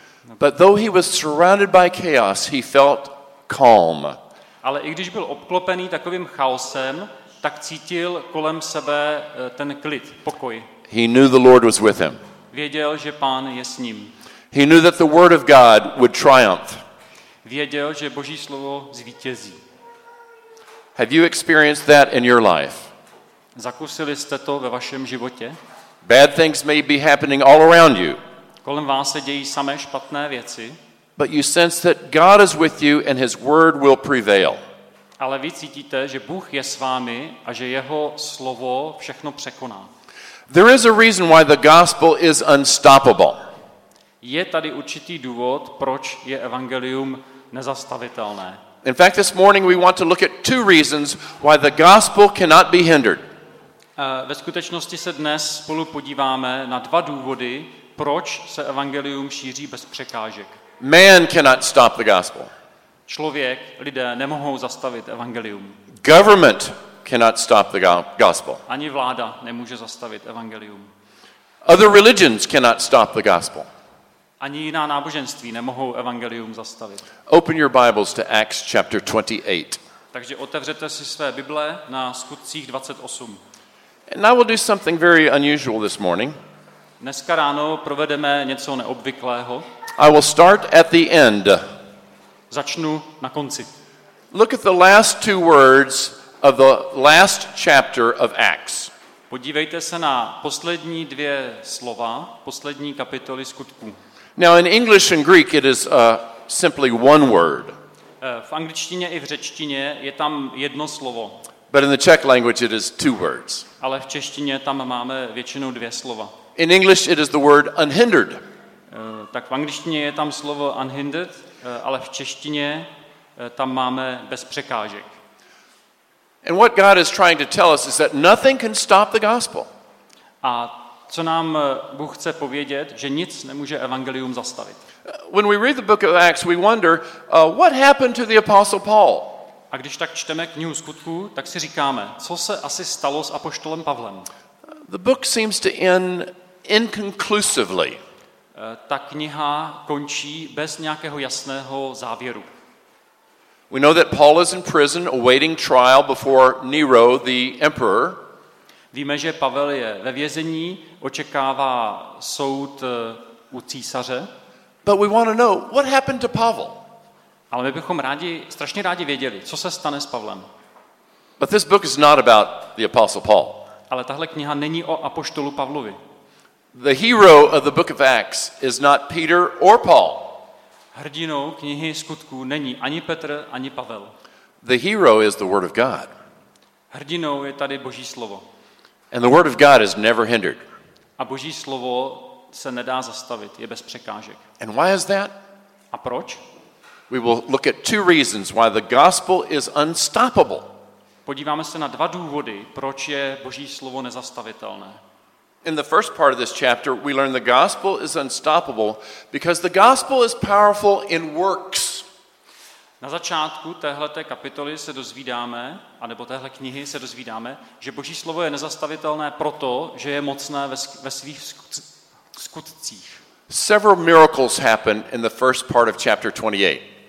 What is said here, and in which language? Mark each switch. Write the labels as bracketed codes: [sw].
[en] But though he was surrounded by chaos, he felt calm. [cs] Ale i když byl obklopený takovým chaosem, tak cítil kolem sebe ten klid, pokoj. [en] He knew the Lord was with him. [cs] Věděl, že Pán je s ním. [en] He knew that the word of God would triumph. [cs] Věděl, že Boží slovo zvítězí. [en] Have you experienced that in your life? [cs] Zakusili jste to ve vašem životě? [en] Bad things may be happening all around you. [cs] Kolem vás se dějí samé špatné věci. [en] But you sense that God is with you and his word will prevail. [cs] Ale vy cítíte, že Bůh je s vámi a že jeho slovo všechno překoná. [en] There is a reason why the gospel is unstoppable. [cs] Je tady určitý důvod, proč je evangelium nezastavitelné. [en] In fact, this morning we want to look at two reasons why the gospel cannot be hindered. [cs] Ve skutečnosti se dnes spolu podíváme na dva důvody, proč se evangelium šíří bez překážek. [en] Man cannot stop the gospel. [cs] Člověk, lidé nemohou zastavit evangelium. [en] Government cannot stop the gospel. [cs] Ani vláda nemůže zastavit evangelium. [en] Other religions cannot stop the gospel. [cs] Ani jiná náboženství nemohou evangelium zastavit. [en] Open your Bibles to Acts chapter 28. [cs] Takže otevřete si své Bible na Skutcích 28. [en] And I will do something very unusual this morning. [cs] Dneska ráno provedeme něco neobvyklého. [en] I will start at the end. [cs] Začnu na konci. [en] Look at the last two words of the last chapter of Acts. [cs] Podívejte se na poslední dvě slova, poslední kapitoly Skutků. [en] Now in English and Greek it is simply one word. [cs] V angličtině i v řečtině je tam jedno slovo. [en] But in the Czech language it is two words. [cs] Ale v češtině tam máme většinou dvě slova. [en] In English it is the word unhindered. [cs] Tak v angličtině je tam slovo unhindered, ale v češtině tam máme bez překážek. [en] And what God is trying to tell us is that nothing can stop the gospel. [cs] A co nám Bůh chce povědět, že nic nemůže evangelium zastavit. [en] When we read the book of Acts, we wonder, what happened to the apostle Paul? [cs] A když tak čteme knihu Skutků, tak si říkáme, co se asi stalo s apoštolem Pavlem? [en] The book seems to end inconclusively. [cs] Ta kniha končí bez nějakého jasného závěru. [en] We know that Paul is in prison awaiting trial before Nero the emperor. [cs] Víme, že Pavel je ve vězení, očekává soud u císaře. [en] But we want to know what happened to Pavel. [cs] Ale my bychom strašně rádi věděli, co se stane s Pavlem. [en] But this book is not about the apostle Paul. [cs] Ale tahle kniha není o apoštolu Pavlovi. [en] The hero of the book of Acts is not Peter or Paul. [cs] Hrdinou knihy Skutků není ani Petr, ani Pavel. [en] The hero is the word of God. [cs] Hrdinou je tady Boží slovo. [en] And the word of God is never hindered. [cs] A Boží slovo se nedá zastavit, je bez překážek. [en] And why is that? [cs] A proč? [en] We will look at two reasons why the gospel is unstoppable. [cs] Podíváme se na dva důvody, proč je Boží slovo nezastavitelné. [en] In the first part of this chapter, we learn the gospel is unstoppable because the gospel is powerful in works. [cs] Na začátku téhleté kapitoly se dozvídáme, anebo téhle knihy se dozvídáme, že Boží slovo je nezastavitelné proto, že je mocné ve svých skutcích. [en] Several miracles happen in the first part of chapter 28.